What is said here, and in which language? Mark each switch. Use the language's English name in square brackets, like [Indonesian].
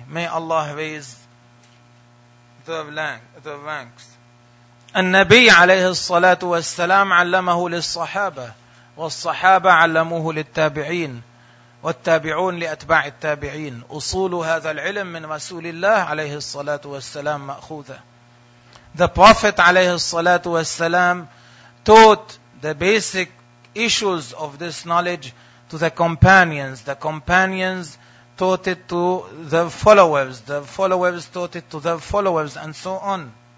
[English] May Allah raise their ranks. [Arabic] النبي عليه الصلاة والسلام علمه للصحابة والصحابة علموه للتابعين والتابعون لأتباع التابعين. أصول هذا العلم من رسول الله عليه الصلاة والسلام مأخوذة. [English] The Prophet عليه الصلاة والسلام taught the basic issues of this knowledge to the companions. The companions taught it to their followers. The followers taught it to their followers and so on.